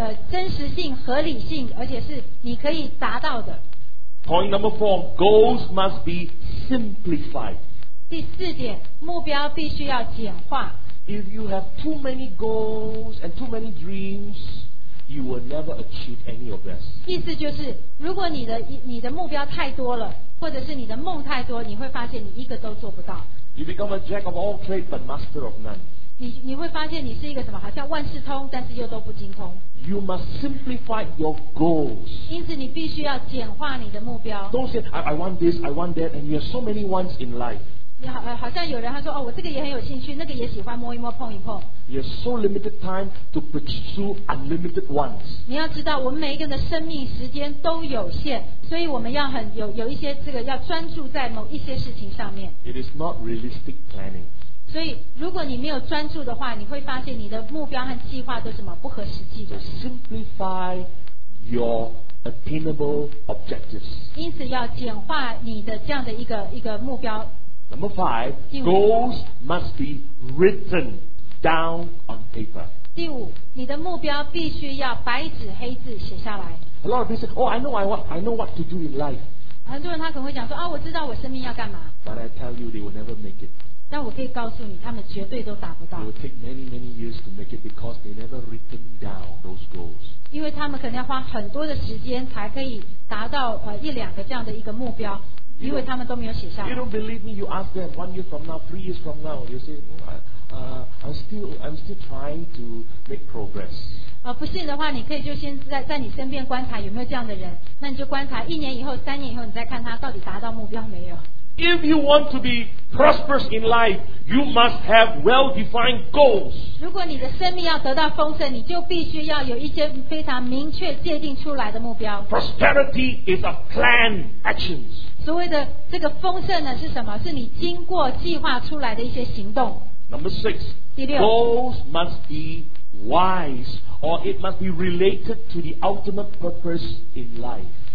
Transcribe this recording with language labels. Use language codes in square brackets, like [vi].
[zh] 真实性、合理性，而且是你可以达到的。 [en] Point number four, goals must be simplified. [zh] 第四点，目标必须要简化。 [en] If you have too many goals and too many dreams, you will never achieve any of this. [zh] 意思就是，如果你的目标太多了。或者是你的梦太多，你会发现你一个都做不到。 [en] You become a jack of all trade but master of none. [zh] 你会发现你是一个什么？好像万事通，但是又都不精通。 [en] You must simplify your goals. [zh] 因此你必须要简化你的目标。 [en] Don't say I want this, I want that, and you have so many wants in life. [zh] 好像有人他说我这个也很有兴趣，那个也喜欢摸一摸碰一碰。 [en] You have so limited time to pursue unlimited wants. [zh] 你要知道，我们每一个人的生命时间都有限。所以我们要很 有一些这个要专注在某一些事情上面。 [en] It is not realistic planning. [zh] 所以如果你没有专注的话，你会发现你的目标和计划都什么不合实际的。 [en] Simplify your attainable objectives. [zh] 因此要简化你的这样的一个目标。 [en] Number five, goals must be written down on paper. [zh] 第五，你的目标必须要白纸黑字写下来。 [en] A lot of people say, I know what to do in life. [zh] 很多人他可能会讲说，我知道我生命要干嘛。 [en] But I tell you, they will never make it. [zh] 那我可以告诉你，他们绝对都达不到。 [en] It will take many many years to make it because they never written down those goals. [zh] 因为他们可能要花很多的时间才可以达到一两个这样的一个目标，因为他们都没有写下来。 [en] You don't believe me? You ask them 1 year from now, 3 years from now. You say, I'm still trying to make progress. [zh] 不信的话，你可以就先在你身边观察有没有这样的人，那你就观察一年以后、三年以后，你再看他到底达到目标没有。 [en] If you want to be prosperous in life, you must have well-defined goals. [zh] 如果你的生命要得到丰盛，你就必须要有一些非常明确界定出来的目标。 [en] Prosperity is a planned actions. [zh] 所谓的这个丰盛呢，是什么？是你经过计划出来的一些行动。 [en] Number six. [zh] 第六。 [en] Goals must be wise, or it must be related to the ultimate purpose in life.